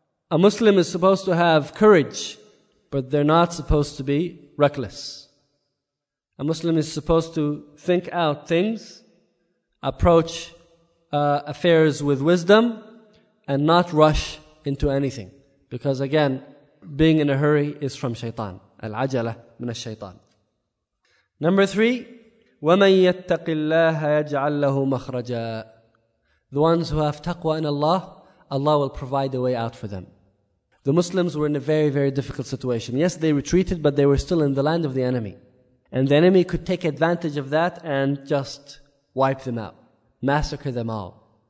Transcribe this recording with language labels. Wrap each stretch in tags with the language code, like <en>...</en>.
<en>A Muslim is supposed to have courage, but they're not supposed to be reckless. A Muslim is supposed to think out things, approach affairs with wisdom, and not rush into anything. Because again, being in a hurry is from shaitan.</en> <ar>Al-ajala min ash-shaytan.</ar> <en>Number three,</en> <ar>وَمَنْ يَتَّقِ اللَّهَ يَجْعَلْ لَهُ مَخْرَجًا.</ar> <en>The ones who have taqwa in Allah, Allah will provide a way out for them. The Muslims were in a very, very difficult situation. Yes, they retreated, but they were still in the land of the enemy. And the enemy could take advantage of that and just wipe them out, massacre them all.</en>